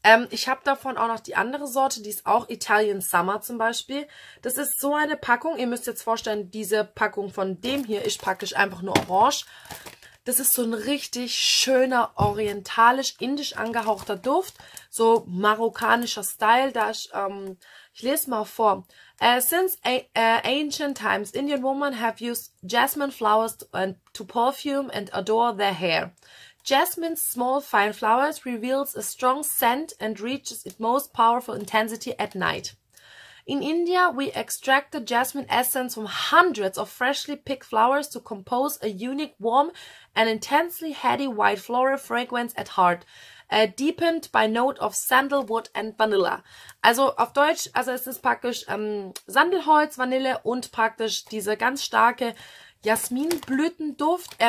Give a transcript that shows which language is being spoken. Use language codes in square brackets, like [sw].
[de] Ich habe davon auch noch die andere Sorte, die ist auch Italian Summer zum Beispiel. Das ist so eine Packung. Ihr müsst jetzt vorstellen, diese Packung von dem hier ist praktisch einfach nur orange. Das ist so ein richtig schöner, orientalisch-indisch angehauchter Duft. So marokkanischer Style. Da ist, ich lese mal vor. [en] Since ancient times, Indian women have used jasmine flowers to perfume and adore their hair. Jasmine's small fine flowers reveals a strong scent and reaches its most powerful intensity at night. In India, we extract the jasmine essence from hundreds of freshly picked flowers to compose a unique, warm and intensely heady white floral fragrance at heart, deepened by note of sandalwood and vanilla. [de] Also auf Deutsch, also es ist praktisch Sandelholz, Vanille und praktisch diese ganz starke Jasminblütenduft.